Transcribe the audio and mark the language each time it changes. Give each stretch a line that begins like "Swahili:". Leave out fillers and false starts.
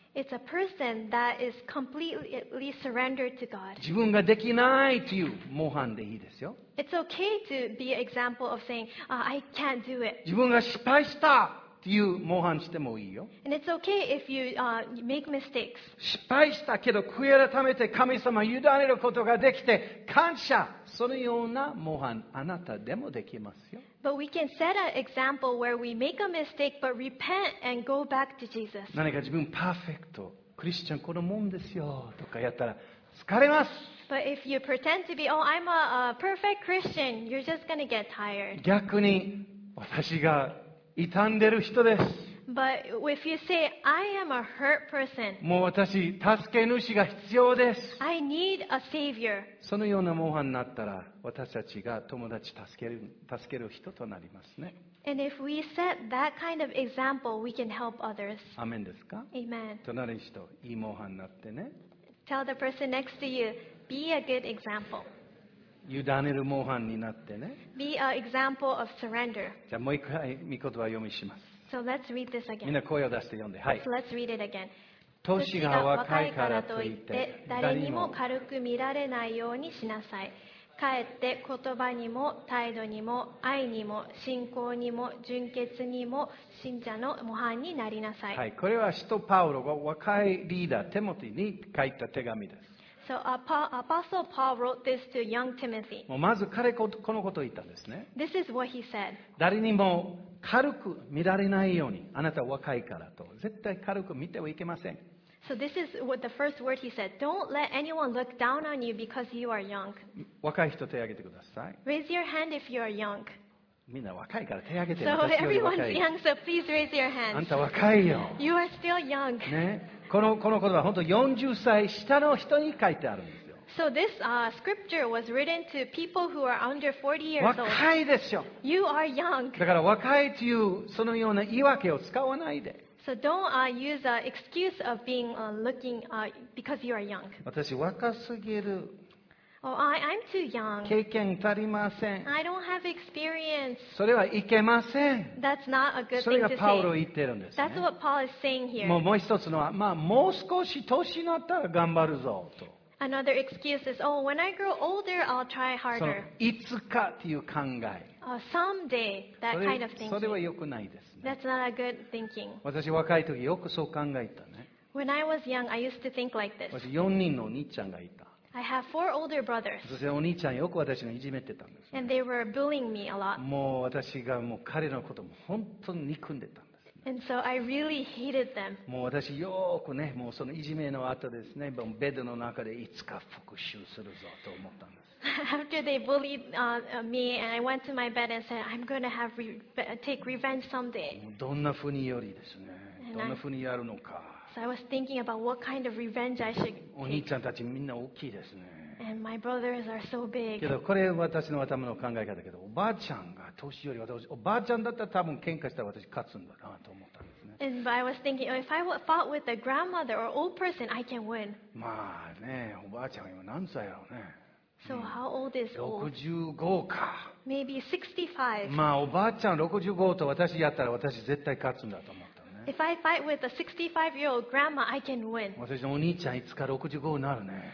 English: It's a person that is completely surrendered to God.
Japanese: 自分ができないという模範でいいですよ。
English: It's okay to be an example of saying, I can't do it.
Japanese: 自分が失敗したという模範してもいいよ。
English: And it's okay if you make mistakes.
Japanese: 失敗したけど悔い改めて神様に委ねることができて感謝。そのような模範あなたでもできますよ。
English: But we can set an example where we make a mistake but repent and go back to Jesus.
Japanese: 何か自分パーフェクト、クリスチャンこのもんですよとかやったら疲れます。
English: But if you pretend to be, oh, I'm a perfect Christian, you're just gonna get tired.
Japanese: 逆に私が傷んでる人です。
English: But if you say, I am a hurt person.
Japanese: もう私、助け主が必要です。
English: I need a savior.
Japanese: そのような模範になったら、私たちが友達助ける人となりますね。
English: And if we set that kind of example, we can help others.
Japanese: アメンですか？
English: Amen.
Japanese: 隣の人、いい模範になってね。
English: Tell the person next to you, be a good example.
Japanese: 委ねる模範になってね。
English: Be an example of surrender.
Japanese: じゃあもう一回、御言葉読みします。
English: So、let's read this again.
Japanese: みんな声を出して読んで、はい。
English: Let's read it again.
Japanese: 年が若いからといって、誰にも軽く見られないようにしなさい。かえって言葉にも態度にも愛にも信仰にも純潔にも信者の模範になりなさい。はい、これは使徒パウロが若いリーダーテモティに書いた手紙です。
English: So Apostle Paul wrote this to young Timothy.
Japanese: もうまず彼このことを言ったんですね。
English: This is what he said.
Japanese: 誰にも軽く見られないようにあなたは若いからと絶対軽く見てはいけません。
English: So this is what the first word he said. Don't let anyone look down on you because you are young.
Japanese: 若い人手を挙げてください。
English: Raise your hand if you are young.
Japanese: みんな若いから手を挙げて。
English: So everyone is young, so please raise your hand.
Japanese: あんた若いよ。
English: You are still young.
Japanese: ね、この言葉は本当に40歳下の人に書いてあるんですよ。
English: So this scripture was written to people who are under 40 years old.
Japanese: 若いですよ。
English: You are young.
Japanese: だから若いというそのような言い訳を使わないで。
English: So don't use an excuse of being looking because you are young.
Japanese: 私若すぎる。
English: Oh, I'm too young.
Japanese: 経験足りません。
English: I don't have experience.
Japanese: それはいけません。
English: That's not a good thing to say.
Japanese: それがパウロ言ってるんですね。
English: That's what Paul is saying here.
Japanese: もう一つのは、まあもう少し年になったら頑張るぞと。
English: Another excuse is, oh, when I grow older, I'll try harder.
Japanese: そのいつかっていう考え。
English: Someday, that kind of thinking.
Japanese: それは良くないですね。
English: That's not a good thinking.
Japanese: 私若い時よくそう考えたね。
English: When I was young, I used to think like this.
Japanese: 私4人のお兄ちゃんがいた。
English: I have four older brothers.
Japanese: そしてお兄ちゃんよく私がいじめてたんです、ね。
English: And they were bullying me a lot.
Japanese: もう私がもう彼のことも本当に憎んでたんです、ね。
English: And so I really hated them.
Japanese: もう私よくね、もうそのいじめの後ですね、ベッドの中でいつか復讐するぞと思ったんです。
English: After they bullied me, and I went to my bed and said, I'm going to have take revenge someday.
Japanese: どんなふうによりですね。どんなふうにやるのか。
English: So I was thinking about what kind of revenge I should.
Japanese: お兄ちゃんたちみんな大きいですね。
English: And my brothers are so big.
Japanese: けどこれ私の頭の考え方だけど、おばあちゃんが年寄り、私おばあちゃんだったら多分喧嘩したら私勝つんだなと思ったんですね。
English: And but I was thinking, if I fought with a grandmother or old person, I can win.
Japanese: まあね、おばあちゃん今何歳やろうね。
English: So how old is old?
Japanese: 65か。
English: Maybe 65.
Japanese: まあおばあちゃん65と私やったら私絶対勝つんだと思ったね。
English: If I fight with a 65-year-old grandma, I can win.
Japanese: 私のお兄ちゃんいつか65になるね。